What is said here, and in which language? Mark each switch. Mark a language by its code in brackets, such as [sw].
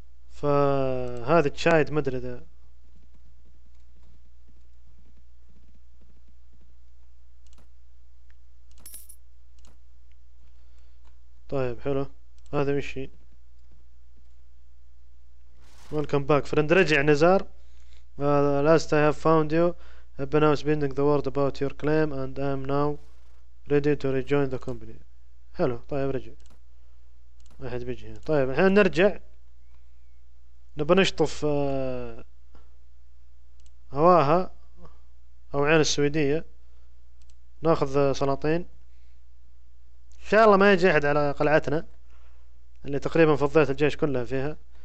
[ar] فهذا تشايد ما ادري ذا طيب حلو هذا مشي. [en] welcome back friend [ar] رجع نزار. [en] Last I have found you I've been outspending the word about your claim and I'm now ready to rejoin the company. [ar] حلو طيب رجع ما حد بيجي هنا. طيب الحين نرجع نبى نشطف هواها او عين السويدية ناخذ سلاطين ان شاء الله ما يجي احد على قلعتنا اللي تقريبا فضيت الجيش كله فيها.